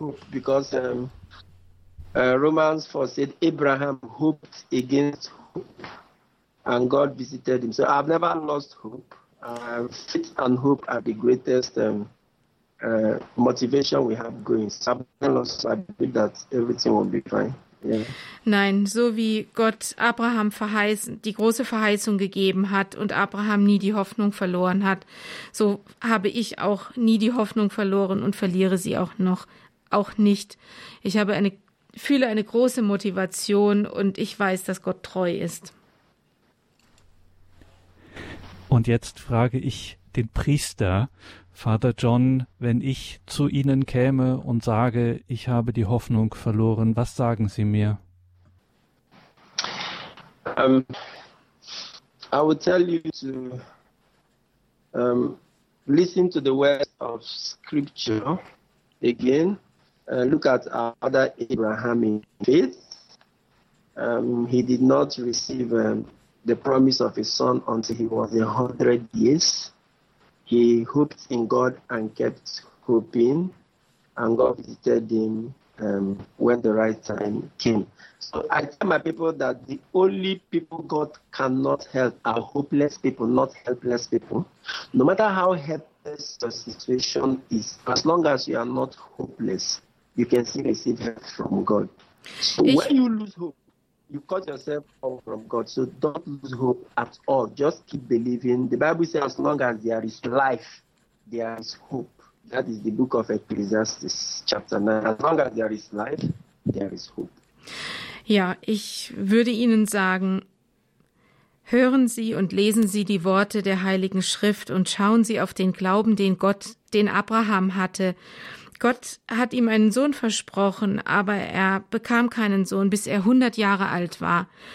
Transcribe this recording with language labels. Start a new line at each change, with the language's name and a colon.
English: Because Romans 4 said Abraham hoped against hope and God visited him. So I've never lost hope. Faith and hope are the greatest motivation we have going. So I've never lost hope. I believe that everything will be fine. Yeah.
German: Nein, so wie Gott Abraham die große Verheißung gegeben hat und Abraham nie die Hoffnung verloren hat, so habe ich auch nie die Hoffnung verloren und verliere sie auch nicht. Ich fühle eine große Motivation und ich weiß, dass Gott treu ist. Und jetzt frage ich den Priester, Vater John, wenn ich zu Ihnen käme und sage, ich habe die Hoffnung verloren, was sagen Sie mir?
English: I will tell you to listen to the words of Scripture again. Look at our father Abraham in faith. He did not receive the promise of his son until he was 100 years. He hoped in God and kept hoping, and God visited him when the right time came. So I tell my people that the only people God cannot help are hopeless people, not helpless people. No matter how helpless your situation is, as long as you are not hopeless, you can still receive help from God. So when you lose hope, you cut yourself off from God. So don't lose hope at all. Just keep believing. The Bible says as long as there is life, there is hope. That is the book of Ecclesiastes, chapter 9. As long as there is life, there is hope.
German: Ja, ich würde Ihnen sagen, hören Sie und lesen Sie die Worte der Heiligen Schrift und schauen Sie auf den Glauben, den Abraham hatte. Gott hat ihm einen Sohn versprochen, aber er bekam keinen Sohn, bis er 100 Jahre alt war.